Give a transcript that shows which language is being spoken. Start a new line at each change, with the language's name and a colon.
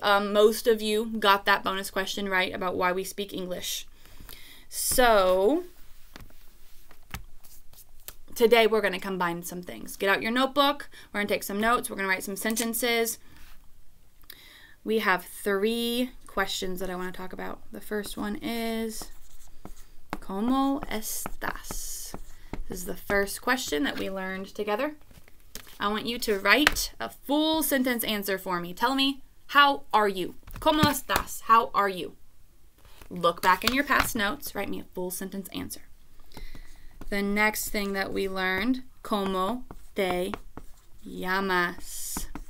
English: Most of you got that bonus question right about why we speak English. So today we're gonna combine some things. Get out your notebook. We're gonna take some notes. We're gonna write some sentences. We have three questions that I want to talk about. The first one is,
Spanish: ¿Cómo estás?
English: This is the first question that we learned together. I want you to write a full sentence answer for me. Tell me, how are you?
Spanish: ¿Cómo estás?
English: How are you? Look back in your past notes. Write me a full sentence answer. The next thing that we learned,
Spanish: ¿Cómo te llamas?